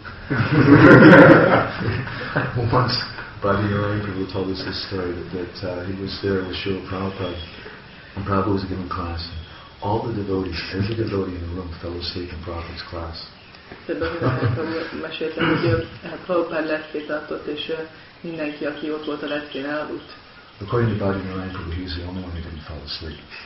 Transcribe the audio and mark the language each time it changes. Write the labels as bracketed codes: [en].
[en] Once Bhadi Narayan told us this story that he was there with Srila Prabhupada, and Prabhupada was giving class, and all the devotees, every devotee in the room fell asleep in Prabhupada's class. [hu] Mindenki, aki ott volt a leckén, elaludt. [en] According to Bhadi Narayan Prabhu, he was the only one who didn't fall asleep.